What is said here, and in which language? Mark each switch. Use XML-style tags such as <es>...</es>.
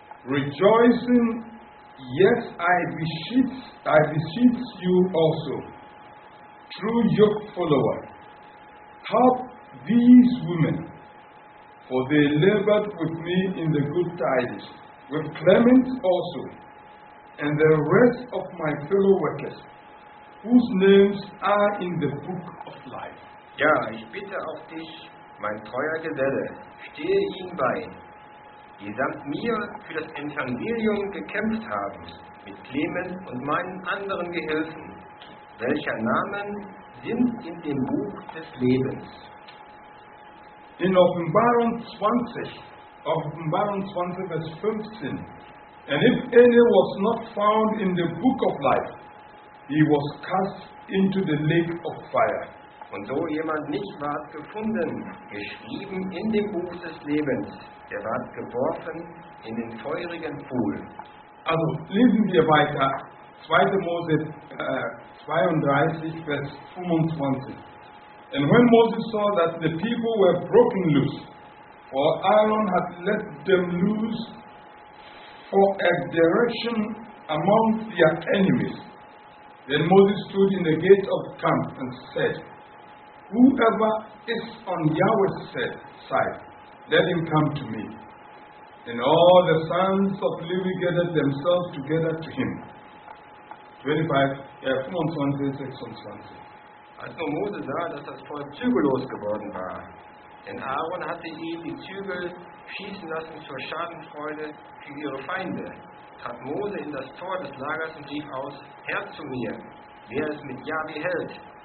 <en>Rejoicing, yes, I beseech you also, true yoke follower, help these women, for they labored with me in the good tidings, with Clement also, and the rest of my fellow workers, whose names are in the book of life.</en> <de>Ja, ich bitte auf dich, mein treuer Geselle, stehe ihnen bei, die samt mir für das Evangelium gekämpft haben, mit Clemens und meinen anderen Gehilfen, welcher Namen sind in dem Buch des Lebens. In Offenbarung 20, Vers 15,</de> <en>and if any was not found in the book of life, he was cast into the lake of fire.</en> <de>Und so jemand nicht ward gefunden, geschrieben in dem Buch des Lebens, der ward geworfen in den feurigen Pool. Also lesen wir weiter, 2. Mose 32, Vers 25.</de> <en>And when Moses saw that the people were broken loose, for Aaron had let them loose for a direction among their enemies, then Moses stood in the gate of camp and said, whoever is on Yahweh's side, let him come to me. And all the sons of Levi gathered themselves together to him. 25, 26.</en> <de>Als nur Mose sah, dass das Volk zügellos geworden war, denn Aaron hatte ihn die Zügel schießen lassen zur Schadenfreude für ihre Feinde, trat Mose in das Tor des Lagers und rief aus, Herr zu mir, wer es mit Yahweh hält.</de>